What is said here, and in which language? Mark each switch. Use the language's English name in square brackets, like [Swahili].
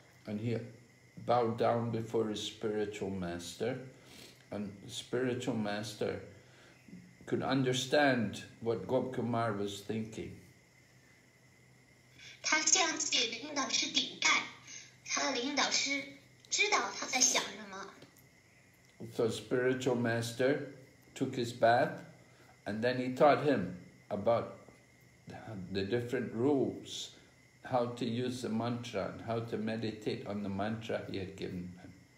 [English] And he bowed down before his spiritual master, and spiritual master could understand what Gop Kumar was thinking. [Chinese] 他向自己的领导师顶盖，他的领导师知道他在想什么。 [English] So spiritual master took his bath, and then he taught him about the different rules, how to use the mantra and how to meditate on the mantra he had given him.